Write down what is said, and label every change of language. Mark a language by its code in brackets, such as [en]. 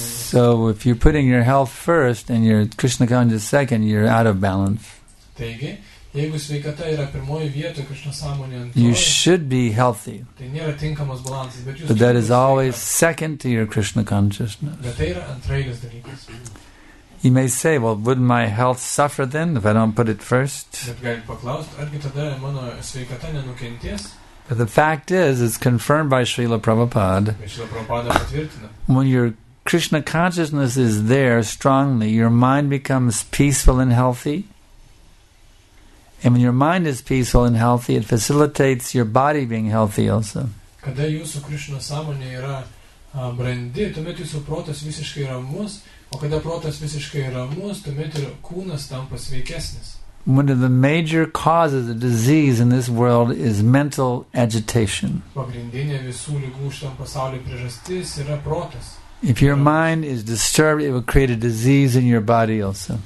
[en] So if you're putting your health first and your Krishna conscious second, you're out of balance. [lt] Jeigu sveikata yra pirmoji vieto, Krishna sąmonė antroji, [en] you should be healthy. [lt] Tai nėra tinkamas balansas, bet jūs [en] but that is always second to your Krishna consciousness. [lt] Bet tai yra antraeilis dalykas. [en] You may say, well, wouldn't my health suffer then if I don't put it first? [lt] Bet galite paklausti, argi tada mano sveikata nenukentės? [en] But the fact is, it's confirmed by Srila Prabhupada. [lt] Srila Prabhupada patvirtina. [en] When your Krishna consciousness is there strongly, your mind becomes peaceful and healthy. And when your mind is peaceful and healthy, it facilitates your body being healthy also. [lt] Kada jūsų Krishna sąmonė yra brandi, tuomet jūsų protas visiškai ramus, o kada protas visiškai ramus, tuomet ir kūnas tampa sveikesnis. [en] One of the major causes of disease in this world is mental agitation. [lt] Pagrindinė visų ligų šitam pasaulyje priežastis yra protas. [en] If your mind is disturbed, it will create a disease in your body also.